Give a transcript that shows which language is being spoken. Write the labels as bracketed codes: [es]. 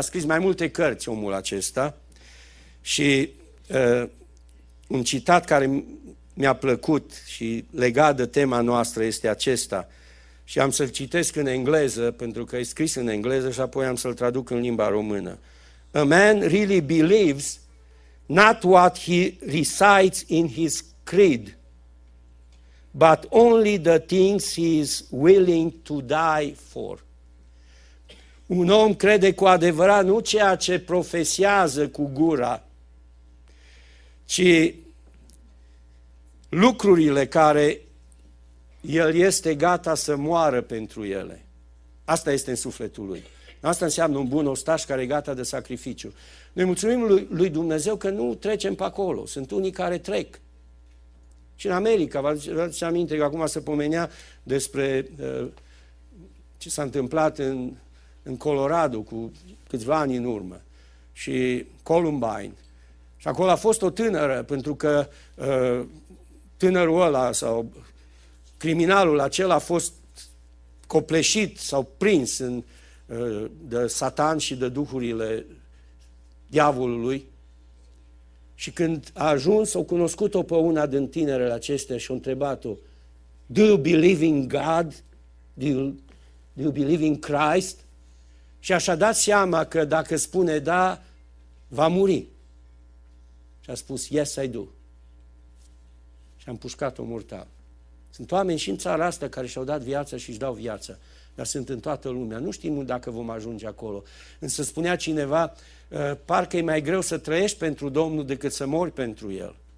[ro] A scris mai multe cărți omul acesta și un citat care mi-a plăcut și legat de tema noastră este acesta. Și am să-l citesc în engleză, pentru că e scris în engleză și apoi am să-l traduc în limba română. [en] A man really believes not what he recites in his creed, but only the things he is willing to die for. [ro] Un om crede cu adevărat nu ceea ce profesează cu gura, ci lucrurile care el este gata să moară pentru ele. Asta este în sufletul lui. Asta înseamnă un bun ostaș care e gata de sacrificiu. Noi mulțumim lui Dumnezeu că nu trecem pe acolo. Sunt unii care trec. Și în America, vă aduceți aminte că acum se pomenea despre ce s-a întâmplat în Colorado cu câțiva ani în urmă. Și Columbine. Și acolo a fost o tânără, pentru că tânărul ăla sau criminalul acela a fost copleșit sau prins de Satan și de duhurile diavolului și când a ajuns o cunoscut-o pe una din tinerele acestea și a întrebat-o: [en] Do you believe in God? Do you believe in Christ? [ro] Și așa a dat seama că dacă spune da, va muri. Și a spus: [en] Yes, I do. [ro] Și a împușcat-o mortal. Sunt oameni și în țara asta care și-au dat viața și își dau viața, dar sunt în toată lumea. Nu știm dacă vom ajunge acolo. Însă spunea cineva, parcă e mai greu să trăiești pentru Domnul decât să mori pentru El.